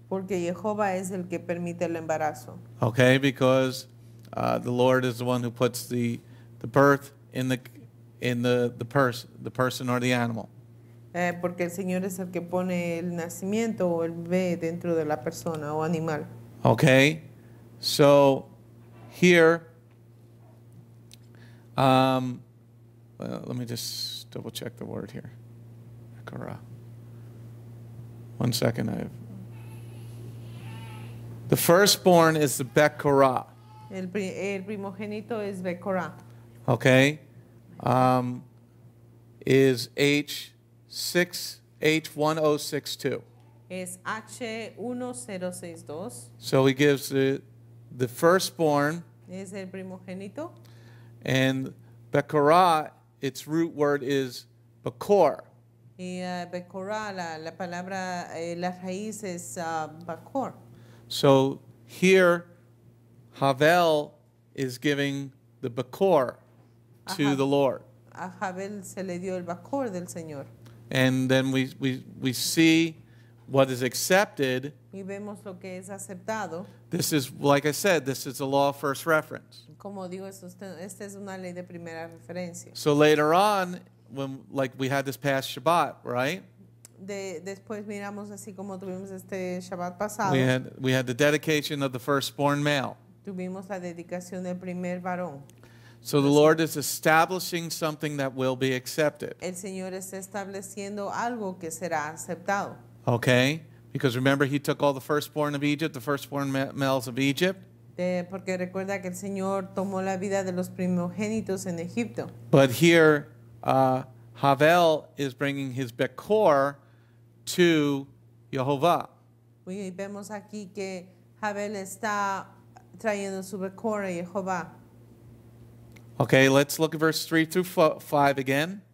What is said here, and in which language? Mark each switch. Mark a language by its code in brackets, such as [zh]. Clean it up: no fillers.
[es] Porque Jehová es el que permite el embarazo. [en] Okay, because the Lord is the one who puts the birth in the person or the animal. [es] Porque el Señor es el que pone el nacimiento o el bebé dentro de la persona o animal. [en] Okay, so here, let me just double check the word here. Hakara. One second, The firstborn is the Bekora. [es] El primogénito es Bekora. [en] Okay. Is H1062. [es] Es H1062. [en] So he gives the firstborn. [es] Es el primogénito. [en] And Bekora, its root word is Bekor. [es] Y Bekora, la palabra, la raíz es Bekor. [en] So here, Havel is giving the Bekor to the Lord. [es] A Havel se le dio el Bekor del Señor. [en] And then we see what is accepted. [es] Y vemos lo que es aceptado. [en] This is, like I said, this is a law of first reference. [es] Como digo, esta es una ley de primera referencia. [en] So later on, when like we had this past Shabbat, right? [es] Después miramos así como tuvimos este Shabbat pasado. [en] We had the dedication of the firstborn male. [es] Tuvimos la dedicación del primer varón. [en] So the Lord is establishing something that will be accepted. [es] El Señor está estableciendo algo que será aceptado. [en] Okay, because remember he took all the firstborn of Egypt, the firstborn males of Egypt. [es] Porque recuerda que el Señor tomó la vida de los primogénitos en Egipto. [en] But here, Havel is bringing his Bekor to Yehovah. [es] Y vemos aquí que Havel está trayendo su Bekor a Yehovah. [en] Okay, let's look at verse 3 through 5 again.